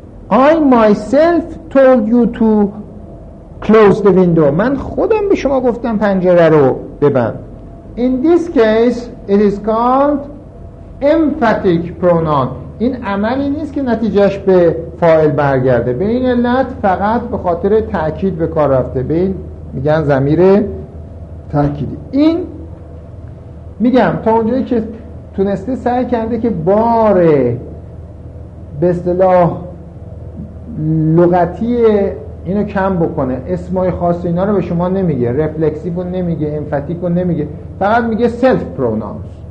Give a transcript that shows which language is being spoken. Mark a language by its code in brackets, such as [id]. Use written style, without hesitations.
[en] I myself told you to close the window، [fa] من خودم به شما گفتم پنجره رو ببند. [en] In this case it is called emphatic pronoun. [fa] این عملی نیست که نتیجهش به فاعل برگرده، به این علت فقط به خاطر تأکید به کار رفته، به این میگن ضمیر تأکیدی. این میگم تا اونجایی که تونسته سعی کرده که بار به اصطلاح لغتی اینو کم بکنه، اسمای خاص اینا رو به شما نمیگه، رفلکسیو رو نمیگه، امفاتیک رو نمیگه، فقط میگه سلف پروناونز.